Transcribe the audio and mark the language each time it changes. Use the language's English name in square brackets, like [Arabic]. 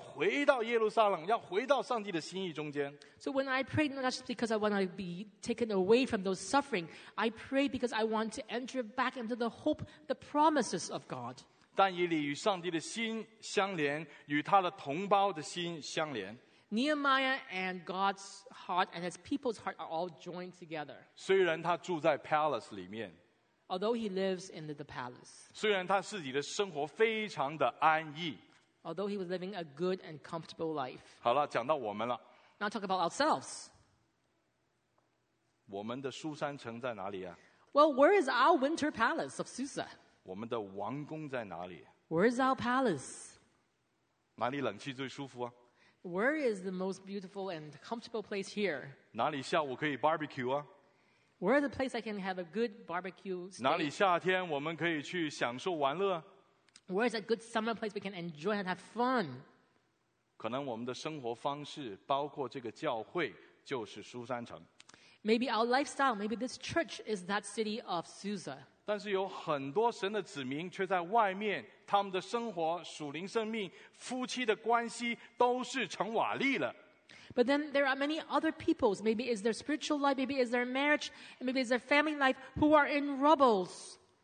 [Chinese] 我祷告不是说我要脱离痛苦而已，我祷告要悔改，因为我要回到耶路撒冷，要回到上帝的心意中间。 [English] So when I pray, not just because I want to be taken away from those suffering, I pray because I want to enter back into the hope, the promises of God. [Chinese] 但以理与上帝的心相连，与他的同胞的心相连。 [English] Nehemiah and God's heart and his people's heart are all joined together. [Chinese] 虽然他住在 palace 里面。 [English] Although he lives in the palace. [Chinese] 虽然他自己的生活非常的安逸。 [English] Although he was living a good and comfortable life. [Chinese] 好了，讲到我们了。 [English] Now talk about ourselves. [Chinese] 我们的苏珊城在哪里啊？ [English] Well, where is our winter palace of Susa? [Chinese] 我们的王宫在哪里？ [English] Where is our palace? [Chinese] 哪里冷气最舒服啊？ [English] Where is the most beautiful and comfortable place here? [Chinese] 哪里下午可以 barbecue 啊？ [English] Where is the place I can have a good barbecue stay? [Chinese] 哪里夏天我们可以去享受玩乐? [English] Where is a good summer place we can enjoy and have fun? [Chinese] 可能我们的生活方式包括这个教会就是苏珊城。 [English] Maybe our lifestyle, maybe this church is that city of Susa. [Chinese] 但是有很多神的子民却在外面，他们的生活、属灵生命、夫妻的关系都是成瓦砾了。 [English] But then there are many other peoples. Maybe it's their spiritual life, maybe it's their marriage, maybe it's their family life who are in rubbles.